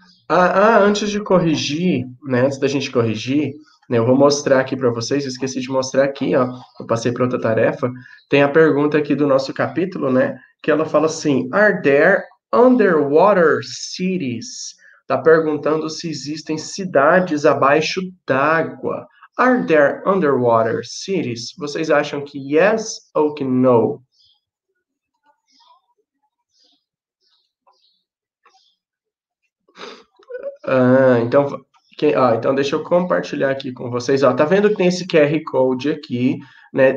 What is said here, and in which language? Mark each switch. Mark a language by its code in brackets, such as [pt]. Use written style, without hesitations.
[pt] Antes de corrigir, né? Antes da gente corrigir, né, eu vou mostrar aqui para vocês, eu esqueci de mostrar aqui, ó. Eu passei para outra tarefa. Tem a pergunta aqui do nosso capítulo, né? [en] Que ela fala assim: Are there underwater cities? [pt] Está perguntando se existem cidades abaixo d'água. [en] Are there underwater cities? [pt] Vocês acham que yes ou que no? Então deixa eu compartilhar aqui com vocês. Ó, tá vendo que tem esse QR Code aqui, né?